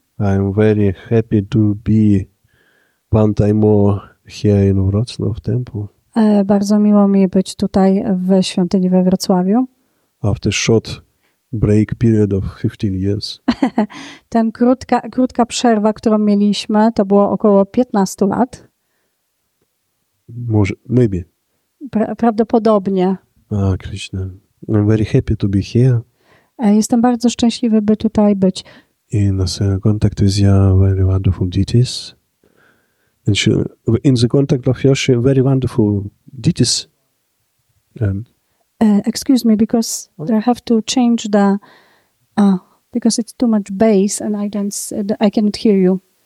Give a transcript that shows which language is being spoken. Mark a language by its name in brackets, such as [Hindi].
[English] I am very happy to be one time more here in Wrocław temple. [Polish] Bardzo miło mi być tutaj w świątyni we Wrocławiu. [English] After short break period of 15 years. [Polish] Ten krótka przerwa, którą mieliśmy, to było około 15 lat. Może, maybe. Prawdopodobnie. [English] A, Krishna. I'm very happy to be here. [Polish] Jestem bardzo szczęśliwy, by tutaj być. [English] In the contact with your very wonderful deities. And she, in the contact of your very wonderful deities. Excuse me, because I have to change the... because it's too much bass and I cannot hear you.